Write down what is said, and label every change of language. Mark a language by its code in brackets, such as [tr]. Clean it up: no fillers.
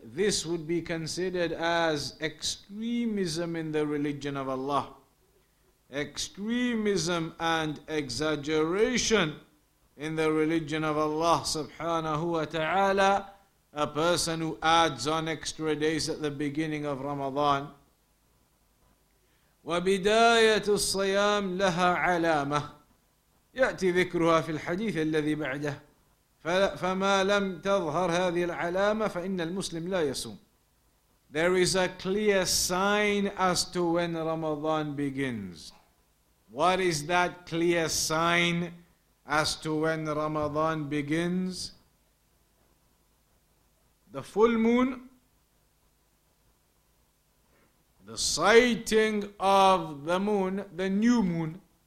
[en] This would be considered as extremism in the religion of Allah. Extremism and exaggeration in the religion of Allah subhanahu wa ta'ala. A person who adds on extra days at the beginning of Ramadan. [ar] وَبِدَايَةُ الصَّيَامِ لَهَا عَلَامَةٌ يأتي ذكرها في الحديث الذي بعده. فما لم تظهر هذه العلامة فإن المسلم لا يصوم. [en] There is a clear sign as to when Ramadan begins. What is that clear sign as to when Ramadan begins? The full moon, the sighting of the moon, the new moon.